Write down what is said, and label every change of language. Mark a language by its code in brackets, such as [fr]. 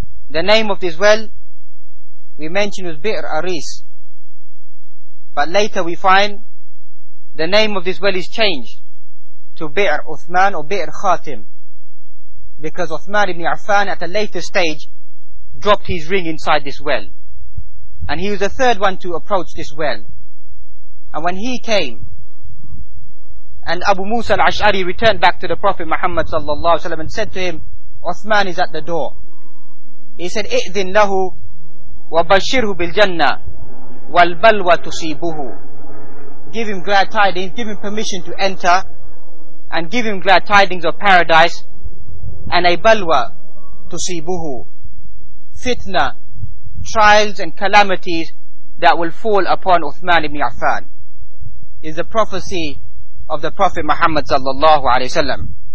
[en] The name of this well we mentioned was Bir Aris, but later we find the name of this well is changed to Bir Uthman or [ar] Bir Khatim, [en] because Uthman ibn Affan at a later stage dropped his ring inside this well, and he was the third one to approach this well. And when he came and Abu Musa al-Ash'ari returned back to the Prophet Muhammad sallallahu alaihi wasallam and said to him, Uthman is at the door. [ar] He said, اِذِنْ لَهُ وَبَشِّرْهُ بِالْجَنَّةِ وَالْبَلْوَ تُصِيبُهُ. [en] Give him glad tidings, give him permission to enter, and give him glad tidings of paradise, and [ar] a balwa tusibuhu, [en] fitna, trials and calamities that will fall upon Uthman ibn Affan, is the prophecy of the Prophet Muhammad sallallahu alaihi wasallam.